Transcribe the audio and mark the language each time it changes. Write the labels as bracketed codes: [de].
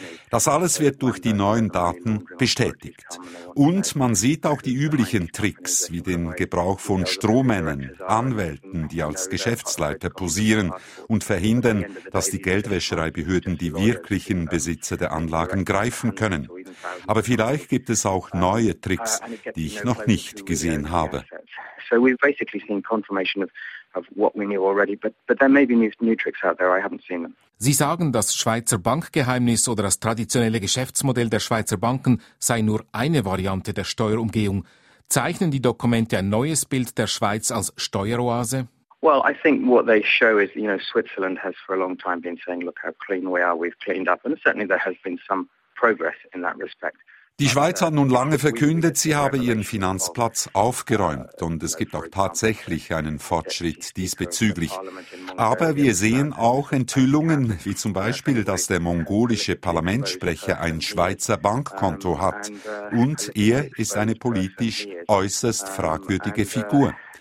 [de] Das alles wird durch die neuen Daten bestätigt. Und man sieht auch die üblichen Tricks, wie den Gebrauch von Strohmännern, Anwälten, die als Geschäftsleiter posieren und verhindern, dass die Geldwäschereibehörden die wirklichen Besitzer der Anlagen greifen können. Aber vielleicht gibt es auch neue Tricks, die ich noch nicht gesehen habe. [en] So we've basically seen confirmation of what we knew already, but there may be new tricks out there. I haven't seen them. [de] Sie sagen, das Schweizer Bankgeheimnis oder das traditionelle Geschäftsmodell der Schweizer Banken sei nur eine Variante der Steuerumgehung. Zeichnen die Dokumente ein neues Bild der Schweiz als Steueroase? [en] Well, I think what they show is, you know, Switzerland has for a long time been saying, look how clean we are, we've cleaned up, and certainly there has been some progress in that respect. [de] Die Schweiz hat nun lange verkündet, sie habe ihren Finanzplatz aufgeräumt und es gibt auch tatsächlich einen Fortschritt diesbezüglich. Aber wir sehen auch Enthüllungen, wie zum Beispiel, dass der mongolische Parlamentssprecher ein Schweizer Bankkonto hat und er ist eine politisch äußerst fragwürdige Figur.